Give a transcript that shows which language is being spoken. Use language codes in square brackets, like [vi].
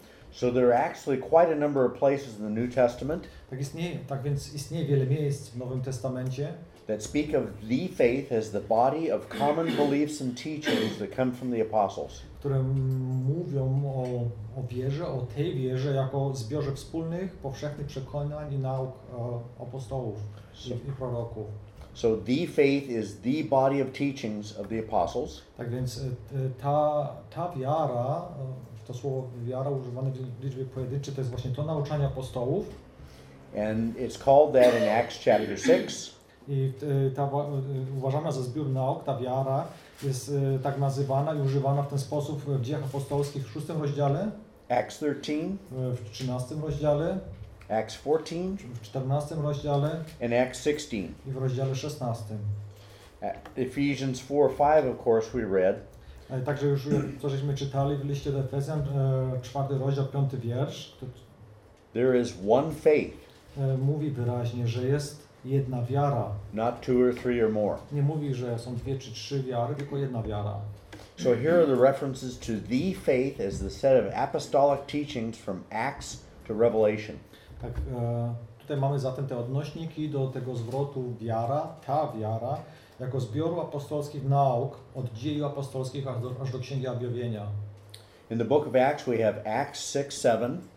[en] So there are actually quite a number of places in the New Testament. [pl] Tak więc istnieje wiele miejsc w Nowym Testamencie. [en] That speak of the faith as the body of common beliefs and teachings that come from the apostles. [pl] Które mówią o wierze, o tej wierze jako zbiorze wspólnych, powszechnych przekonań i nauk apostołów i proroków. [en] So the faith is the body of teachings of the apostles. [pl] Tak więc ta wiara, to słowo wiara używane w liczbie pojedynczej, to jest właśnie to nauczanie apostołów. [en] And it's called that in Acts chapter 6. [pl] I ta uważana za zbiór nauk, ta wiara jest tak nazywana i używana w ten sposób w Dziejach Apostolskich w 6 rozdziale. [en] Acts 13. [pl] W 13 rozdziale. [en] Acts 14. [pl] W 14 rozdziale. [en] And Acts 16. [pl] I w rozdziale 16. [en] Ephesians 4:5, of course, we read. [pl] Także już co żeśmy czytali w liście do Efezjan, 4 rozdział, 5 wiersz. [en] There is one faith. [pl] Mówi wyraźnie, że jest jedna wiara. [en] Not two or three or more. [pl] Nie mówi, że są dwie czy trzy wiary, tylko jedna wiara. [en] So here are the references to the faith as the set of apostolic teachings from Acts to to Revelation. [pl] Tak tutaj mamy zatem te odnośniki do tego zwrotu wiara, ta wiara, jako zbioru apostolskich nauk od dziejów apostolskich aż do Księgi Objawienia. [en] In the book of Acts we have Acts 6-7.